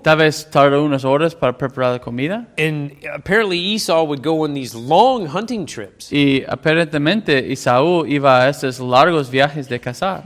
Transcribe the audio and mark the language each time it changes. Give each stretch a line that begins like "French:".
Spanish: Tal vez tardó unas horas para preparar la comida.
English: And apparently Esau would go on these long hunting trips.
Spanish: Y aparentemente Esau iba a estos largos viajes de cazar.